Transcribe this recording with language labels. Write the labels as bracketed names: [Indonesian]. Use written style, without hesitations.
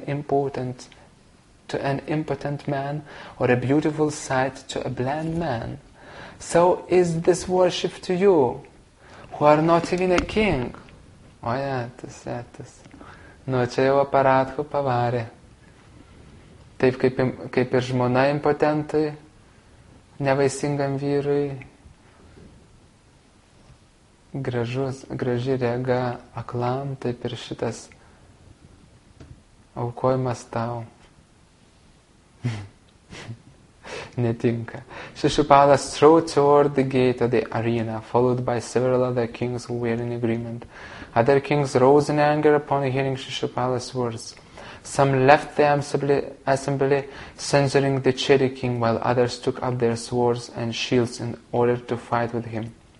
[English] As a wife is to an impotent man or a beautiful sight to a bland man, so is this worship to you, who are not even a king." [Lithuanian] Oy, tas. Nu, čia jau aparatų pavarė. Taip kaip ir žmona impotentai, nevaisingam vyrui, graži rega aklam, taip ir šitas aukojimas tau netinka. [English] Shishupala strode toward the gate of the arena, followed by several other kings who were in agreement. Other kings rose in anger upon hearing Shishupala's words. Some left the assembly censoring the Chedi king, while others took up their swords and shields in order to fight with him.